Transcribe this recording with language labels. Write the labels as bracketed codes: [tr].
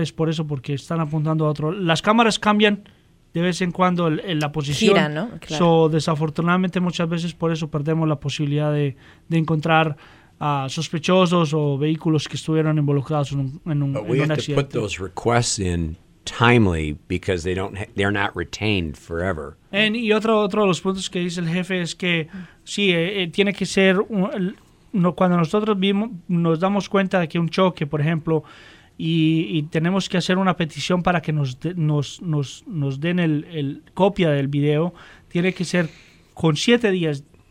[es] Es por eso, porque están apuntando a otro. Las cámaras cambian de vez en cuando en la posición. Gira, ¿no? Claro. So, desafortunadamente, muchas veces por eso perdemos la posibilidad de encontrar sospechosos o vehículos que estuvieron involucrados en un accidente. [en] But we have to put those requests in timely because they're not retained forever. [es] And, y otro de los puntos que dice el jefe es que sí, tiene que ser cuando nosotros nos damos cuenta de que un choque, por ejemplo, y tenemos que hacer una petición para que nos den el copia del video, tiene que ser con 7 días.